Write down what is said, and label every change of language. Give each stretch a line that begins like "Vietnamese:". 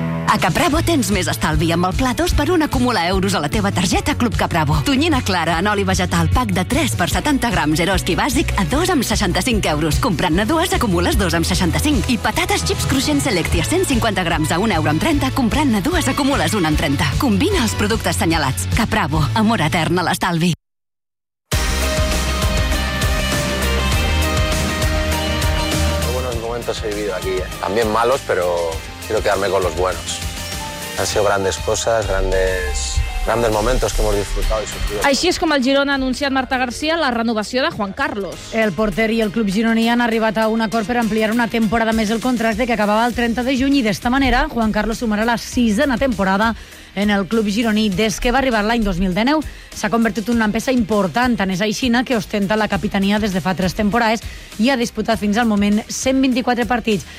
Catalan: A Capravo tens més estalvi amb el pla 2x1 acumula euros a la teva targeta Club Capravo. Tonyina clara en oli vegetal, pack de 3x70 grams, Eroski bàsic a 2,65 euros. Comprant-ne 2, acumules 2,65. I patates chips cruixents Selectia 150 grams a 1,30 euros. Comprant-ne 2, acumules 1,30. Combina els productes senyalats. Capravo, amor etern a l'estalvi.
Spanish: Qué buenos momentos he vivido aquí. También malos, pero... quiero quedarme con los buenos. Han sido grandes cosas, grandes momentos que hemos disfrutado y sufrido.
Catalan: Així és com el Girona ha anunciat, Marta García, la renovació de Juan Carlos. El porter i el club gironí han arribat a un acord per ampliar una temporada més el contracte que acabava el 30 de juny i d'esta manera Juan Carlos sumarà la 6ª temporada en el club gironí des que va arribar l'any 2019. S'ha convertit en una peça important, tant és aixina que ostenta la capitania des de fa 3 temporades i ha disputat fins al moment 124 partits.